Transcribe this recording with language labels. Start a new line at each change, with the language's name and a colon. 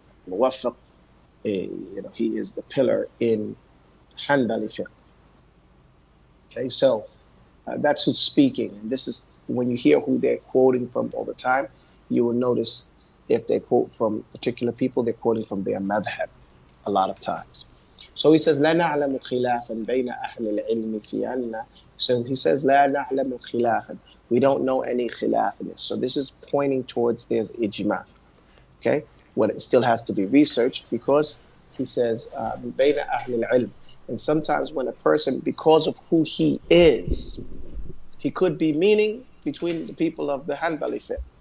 English: Muwaffaq, you know, he is the pillar in Hanbali fiqh. Okay, so that's who's speaking. And this is when you hear who they're quoting from all the time, you will notice if they quote from particular people, they're quoting from their madhab a lot of times. So he says,
Arabic: لَا نَعْلَمُ خِلَافًا بَيْنَ أَهْلِ الْعِلْمِ فِي أَنَّا.
English: So he says,
Arabic: لَا نَعْلَمُ خِلَافًا.
English: We don't know any khilaf in this. So this is pointing towards there's ijma. Okay? Well, it still has to be researched because he says,
Arabic: بَيْنَ أَهْلِ الْعِلْمِ.
English: And sometimes when a person, because of who he is, he could be meaning between the people of the Hanbali fiqh.